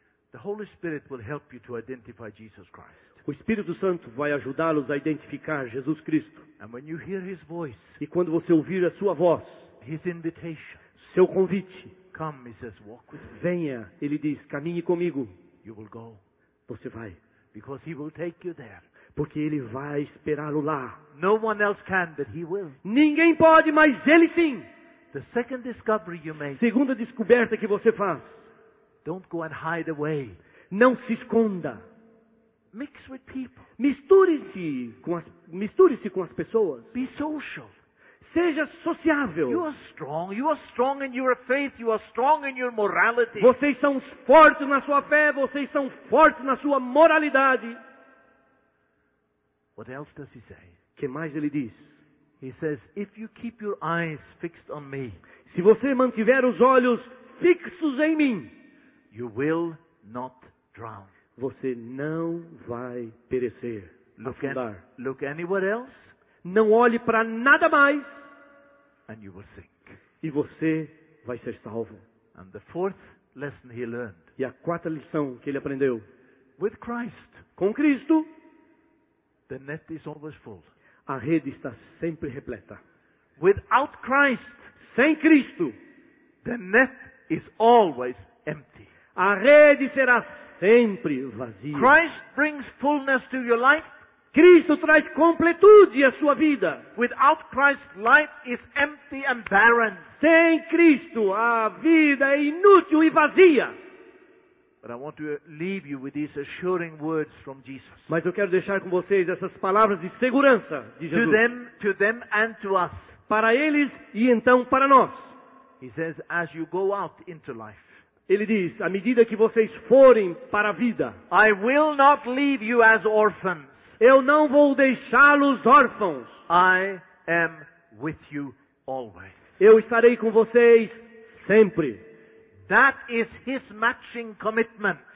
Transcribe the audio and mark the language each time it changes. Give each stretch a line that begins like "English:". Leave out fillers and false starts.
English: the Holy Spirit will help you to identify Jesus Christ.
Portuguese: O Espírito Santo vai ajudá-los a identificar Jesus Cristo.
English: And when you hear his voice,
Portuguese: e quando você ouvir a sua voz,
English: his invitation,
Portuguese: seu convite,
English: come, he says, walk with me.
Portuguese: Venha, ele diz, caminhe comigo.
English: You will go.
Portuguese: Você vai.
English: Because he will take you there.
Portuguese: Porque ele vai esperá-lo lá.
English: No one else can, but he will.
Portuguese: Ninguém pode, mas ele sim.
English: The second discovery you make,
Portuguese: segunda descoberta que você faz.
English: Don't go and hide away.
Portuguese: Não se esconda.
English: Mix with people.
Portuguese: Misture-se com as pessoas.
English: Be social.
Portuguese: Seja sociável.
English: You are strong. You are strong in your faith. You are strong in your morality.
Portuguese: Vocês são fortes na sua fé. Vocês são fortes na sua moralidade.
English: What else does he say?
Portuguese: Que mais ele diz?
English: He says, if you keep your eyes fixed on me,
Portuguese: se você mantiver os olhos fixos em mim,
English: you will not drown.
Portuguese: Você não vai perecer.
English: Look anywhere else.
Portuguese: Não olhe para nada mais.
English: And you will sink.
Portuguese: E você vai ser salvo.
English: And the fourth lesson he learned.
Portuguese: E a quarta lição que ele aprendeu.
English: With Christ.
Portuguese: Com Cristo.
English: The net is always full.
Portuguese: A rede está sempre repleta.
English: Without Christ.
Portuguese: Sem Cristo.
English: The net is always empty.
Portuguese: A rede será sempre vazia.
English: Christ brings fullness to your life.
Portuguese: Cristo traz completude à sua vida.
English: Without Christ, life is empty and barren.
Portuguese: Sem Cristo, a vida é inútil e vazia.
English: But I want to leave you with these assuring words from Jesus.
Portuguese: Mas eu quero deixar com vocês essas palavras de segurança de Jesus.
English: To them and to us.
Portuguese: Para eles e então para nós.
English: He says, as you go out into life.
Portuguese: Ele diz, à medida que vocês forem para a vida.
English: I will not leave you as orphans.
Portuguese: Eu não vou deixá-los órfãos.
English: I am with you always.
Portuguese: Eu estarei com vocês sempre.
English: That is his matching commitment.